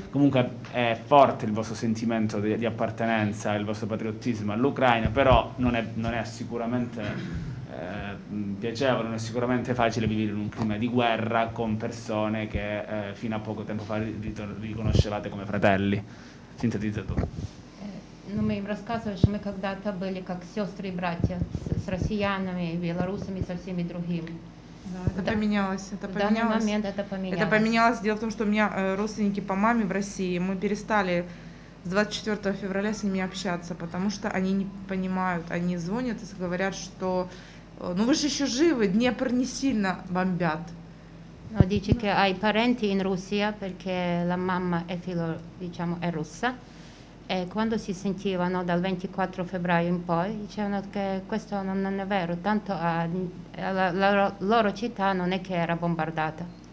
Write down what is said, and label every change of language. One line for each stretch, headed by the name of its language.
Italian: Comunque è forte il vostro sentimento di appartenenza, il vostro patriottismo all'Ucraina, però non è sicuramente piacevole, non è sicuramente facile vivere in un clima di guerra con persone che fino a poco tempo fa riconoscevate come fratelli. Sintetizza tu.
Russian: Ну, мы им рассказывали, что мы когда-то были как сестры и братья с россиянами, белорусами, со всеми другими. Да, это поменялось. Это в поменялось. Данный момент это поменялось. Это поменялось. Дело в том, что у меня родственники по маме в России. Мы перестали с 24 февраля с ними общаться, потому что они не понимают. Они звонят и говорят, что ну вы же еще живы, Днепр не сильно бомбят.
Italian: No, dice che hai parenti in Russia perché la mamma è filo, diciamo, è russa. E quando si sentivano dal 24 febbraio in poi, dicevano che questo non è vero, tanto la loro città non è che era bombardata.